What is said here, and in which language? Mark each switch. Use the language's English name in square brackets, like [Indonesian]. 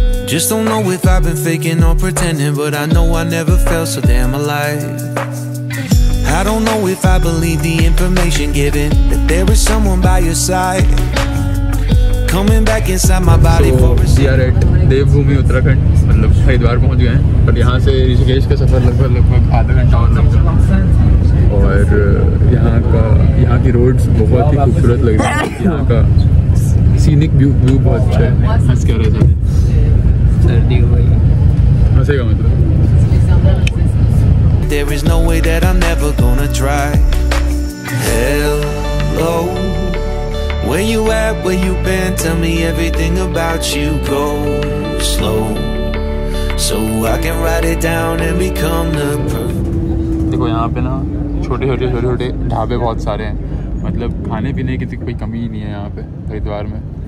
[English] Just don't know if I've been faking or pretending, but I know I never felt so damn alive. I don't know if I believe the information given, that there is someone by your side. Coming back inside my body. So, we are at Devbhoomi, Uttarakhand. [Hindi] मतलब हरिद्वार पहुंच गए हैं, पर यहाँ से ऋषिकेश का सफर लगभग लगभग आधा घंटा और लगता है. और यहाँ की रोड्स बहुत ही खूबसूरत लग रही है. यहाँ का [English] scenic view [Hindi] बहुत अच्छा है. हंस क्या रहे थे? सर्दी हो गई. हंसेगा मतलब? [English] There is no way that I'm never gonna try. Hello, where you at, where you been? Tell me everything about you. Go slow, so I can write it down and become the proof. [Hindi] देखो यहाँ पे ना छोटे छोटे छोटे छोटे ढाबे बहुत सारे हैं. मतलब खाने पीने की तो कोई कमी ही नहीं है यहाँ पे हरिद्वार में.